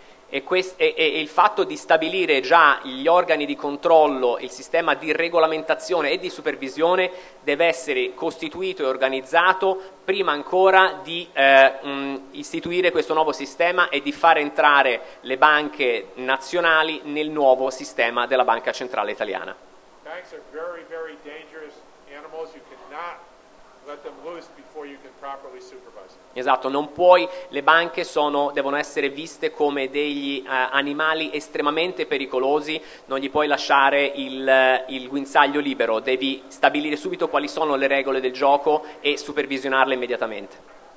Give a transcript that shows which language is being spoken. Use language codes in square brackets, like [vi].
[it] E il fatto di stabilire già gli organi di controllo, il sistema di regolamentazione e di supervisione deve essere costituito e organizzato prima ancora di istituire questo nuovo sistema e di far entrare le banche nazionali nel nuovo sistema della Banca Centrale Italiana. [en] Banks are very, very dangerous animals. You cannot let them loose before you can properly supervise. [it] Esatto, non puoi, le banche sono, devono essere viste come degli animali estremamente pericolosi, non gli puoi lasciare il guinzaglio libero, devi stabilire subito quali sono le regole del gioco e supervisionarle immediatamente.